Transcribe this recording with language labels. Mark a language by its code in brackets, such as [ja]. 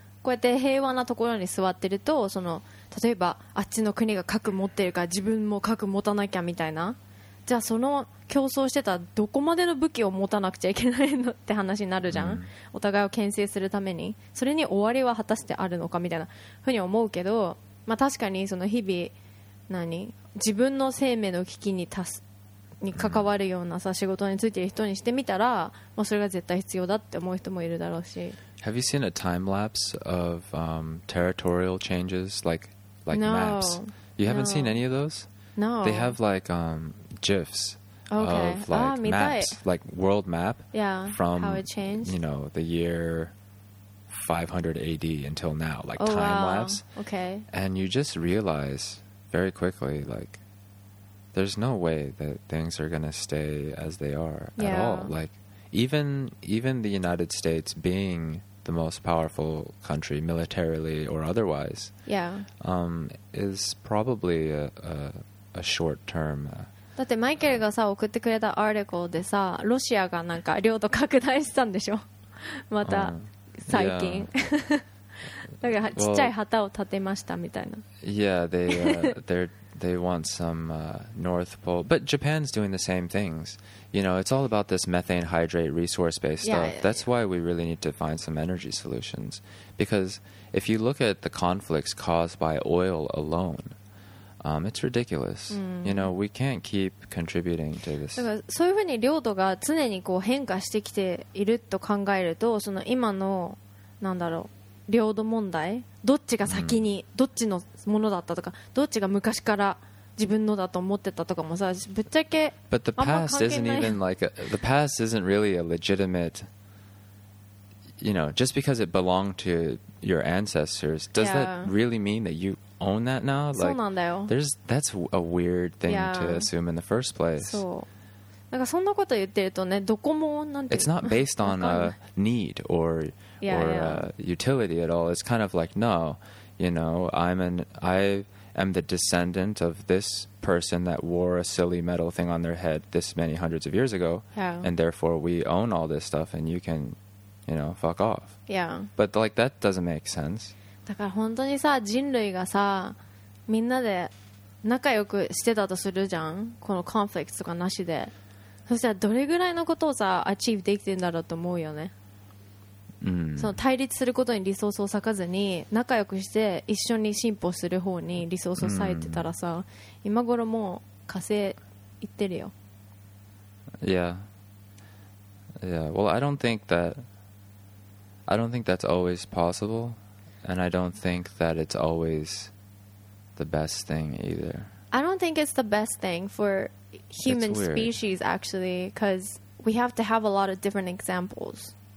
[ja] こうやって平和なところに座ってると、その例えばあっちの国が核持ってるから自分も核持たなきゃみたいな、じゃあその競争してたらどこまでの武器を持たなくちゃいけないのって話になるじゃん、うん、お互いを牽制するために、それに終わりは果たしてあるのかみたいなふうに思うけど、まあ、確かにその日々何自分の生命の危機に関わるようなさ仕事についてる人にしてみたら、まあ、それが絶対必要だって思う人もいるだろうし。 [en] Have you seen a time lapse of territorial changes, like no, maps? You haven't no. seen any of those? No. They have like GIFs、 okay. of like、 maps, like world map. Yeah. From how it changed. You know, the year 500 AD until now, like、 oh, time wow. lapse. Okay. And you just realize very quickly, like, there's no way that things are gonna stay as they are、 yeah. at all. Like. Even the United States being the most powerful country militarily or otherwise, yeah, is probably a short term. [ja] だってマイケルがさ送ってくれたアーティクルでさ、ロシアがなんか領土拡大したんでしょ。また最近。だからちっちゃい旗を立てましたみたいな。 [en] Yeah, they want some North Pole, but Japan's doing the same things. You know, it's all about this methane hydrate resource based yeah, stuff. Yeah, That's yeah. why we really need to find some energy solutions. Because if you look at the conflicts caused by oil alone, it's ridiculous.、 Mm. You know, we can't keep contributing to this. [ja] だからそういうふうに領土が常にこう変化してきていると考えると、その今のなんだろう。領土問題、どっちが先にどっちのものだったとか、どっちが昔から自分のだと思ってたとかもさ、ぶっちゃけあんま関係ない。 [en] But the past isn't even like the past isn't really a legitimate, you know, just because it belonged to your ancestors, does that really mean that you own that now? [ja] Like, そうなんだよ。 [en] That's a weird thing to assume in the first place. [ja] そう。なんかそんなこと言ってるとね、どこもなんて。 [en] It's not based on a need or. Yeah, or yeah. Utility at all. It's kind of like, no, you know, I am the descendant of this person that wore a silly metal thing on their head this many hundreds of years ago, yeah. and therefore we own all this stuff, and you can, you know, fuck off. Yeah. But like that doesn't make sense. [ja] だから本当にさ、人類がさ、みんなで仲良くしてたとするじゃん。このコンフリクトとかなしで、そしたらどれぐらいのことをさ、achieve できてんだろうと思うよね。その対立することにリソースを割かずに仲良くして一緒に進歩する方にリソースを割いてたらさ、今頃もう火星行ってるよ。 [en] Yeah. Yeah. Well, I don't think that's always possible, and I don't think that it's always the best thing either. I don't think it's the best thing for human species, actually, because we have to have a lot of different examples.